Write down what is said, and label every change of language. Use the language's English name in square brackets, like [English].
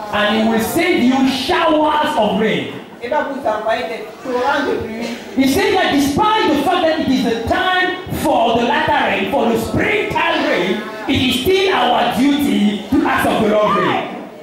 [English] And he will send you showers of rain. [French] Il va vous envoyer des torrents de pluie. [English] He said that despite the fact that it is the time for the latter rain, for the springtime rain, it is still our duty to ask of the Lord rain.